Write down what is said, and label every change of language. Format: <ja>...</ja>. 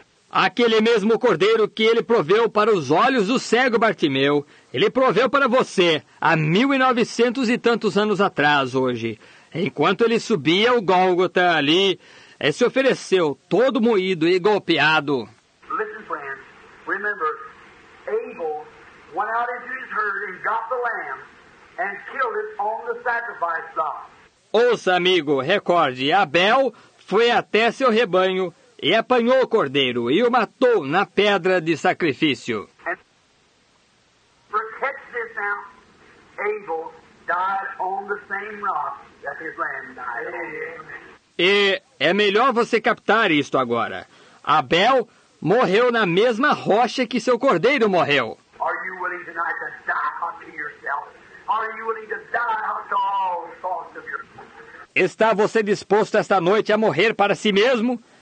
<pt>Aquele mesmo cordeiro que ele proveu para os olhos do cego Bartimeu, ele proveu para você há 1900 e tantos anos atrás hoje. Enquanto ele subia o Gólgota ali, ele se ofereceu todo moído e golpeado.</pt> <en>Listen, friends. Remember, Abel went out into his herd and got the lamb and killed it on the sacrifice spot.</en> <pt>Ouça, amigo, recorde, Abel foi até seu rebanho e apanhou o cordeiro e o matou na pedra de sacrifício.</pt> <en>And... Protect this now. Abel died on the same rock that his lamb died on.</en> <pt>E é melhor você captar isto agora. Abel morreu na mesma rocha que seu cordeiro morreu.</pt> <en>Are you willing tonight to die unto yourself? Are you willing to die unto all thoughts of yourself?</en> <pt>Está você disposto esta noite a morrer para si mesmo?</pt>